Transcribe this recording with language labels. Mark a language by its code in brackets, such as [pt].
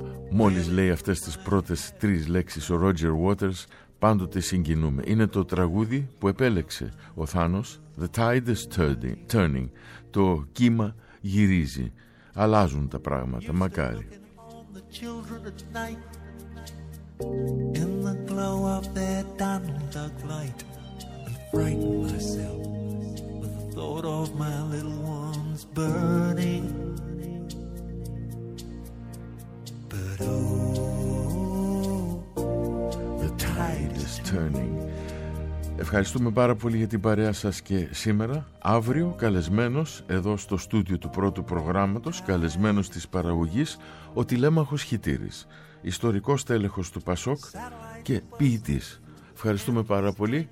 [el] Μόλις λέει αυτές τις πρώτες τρεις λέξεις ο Roger Waters, πάντοτε συγκινούμε. Είναι το τραγούδι που επέλεξε ο Θάνος, [en] «The tide is turning», [el] το κύμα γυρίζει, αλλάζουν τα πράγματα, μακάρι. [en] Children at night in the glow of their diamond-dug light, and frighten myself with the thought of my little ones burning. But oh, the tide is turning. [el] Ευχαριστούμε πάρα πολύ για την παρέα σας και σήμερα. Αύριο καλεσμένος εδώ στο στούντιο του πρώτου προγράμματος, καλεσμένος της παραγωγής, ο Τηλέμαχος Χιτήρης, ιστορικός τέλεχος του ΠΑΣΟΚ και ποιητής. Ευχαριστούμε πάρα πολύ.